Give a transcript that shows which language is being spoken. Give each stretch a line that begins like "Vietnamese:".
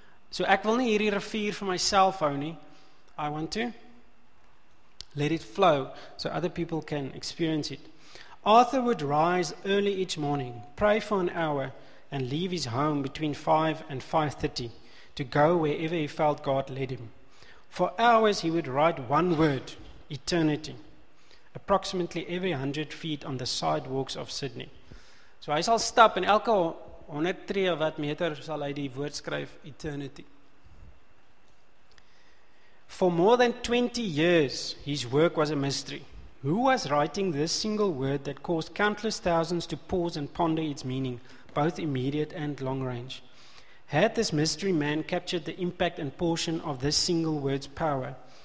Afrikaans: So, ek wil nie hierdie rivier vir myself hou nie.
English: I want to let it flow so other people can experience it. Arthur would rise early each morning, pray for an hour and leave his home between 5 and 5:30. To go wherever he felt God led him. For hours he would write one word, eternity, approximately every 100 feet on the sidewalks of Sydney.
Afrikaans: So hy sal stap en elke 103 wat meter sal hy die woord skryf, eternity.
English: For more than 20 years his work was a mystery. Who was writing this single word that caused countless thousands to pause and ponder its meaning, both immediate and long range? Had this mystery man captured the impact and portion of this single word's power?